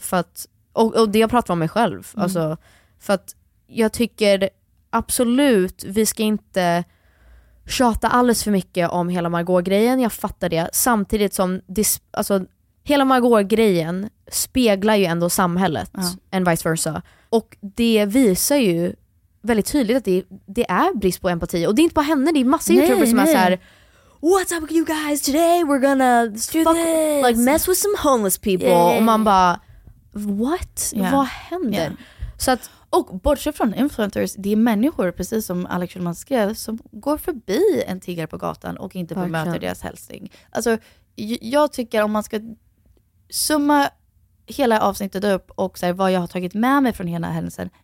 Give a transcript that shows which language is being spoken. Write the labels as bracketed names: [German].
[Swedish] För att, och det jag pratar om mig själv. Mm. Alltså, för att jag tycker absolut vi ska inte tjata alldeles för mycket om hela Margot-grejen. Jag fattar det. Samtidigt som hela Margot-grejen speglar ju ändå samhället. Uh-huh. [English] And vice versa. [Swedish] Och det visar ju väldigt tydligt att det är brist på empati. Och det är inte bara henne, det är massa youtubers som är så här, [English] what's up with you guys today? We're gonna like mess with some homeless people. Yeah. [Swedish] Och man bara, [English] what? Yeah. [Swedish] Vad händer? [English] Yeah. [Swedish] Så att, och bortsett från influencers, det är människor, precis som Alex Schulman skrev, som går förbi en tiggare på gatan och inte bemöter deras hälsning. Alltså, jag tycker om man ska summa hela avsnittet upp och så här, vad jag har tagit med mig från hela händelsen.